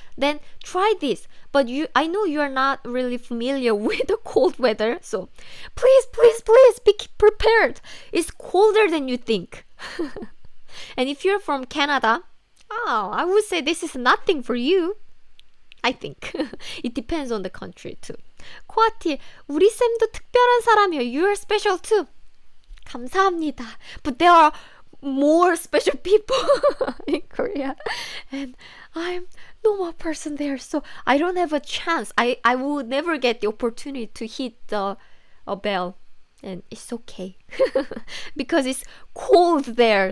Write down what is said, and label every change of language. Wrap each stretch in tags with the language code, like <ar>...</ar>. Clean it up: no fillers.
<en>Then try this. But I know you're not really familiar with the cold weather, so please be prepared. It's colder than you think. And if you're from Canada, I would say this is nothing for you. I think. It depends on the country too.</en> <ko>코아티, 우리 쌤도 특별한 사람이야.</ko> <en>You are special too.</en> <ko>감사합니다.</ko> <en>But there are more special people in Korea, and I'm normal person there, so I don't have a chance. I will never get the opportunity to hit the a bell, and it's okay because it's cold there.</en>